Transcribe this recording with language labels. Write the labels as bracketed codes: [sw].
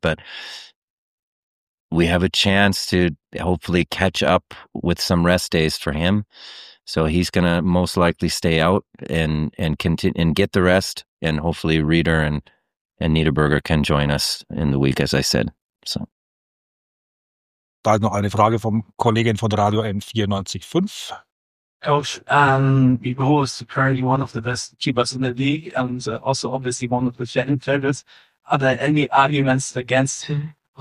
[en] But we have a chance to hopefully catch up with some rest days for him. So he's going to most likely stay out and get the rest. And hopefully Reeder and Niederberger can join us in the week, as I said. So. [de] Da ist noch eine Frage vom Kollegen von Radio N94.5. [en] Coach, Bibo is currently one of the best keepers in the league and also obviously one of the champions. Are there any arguments against him?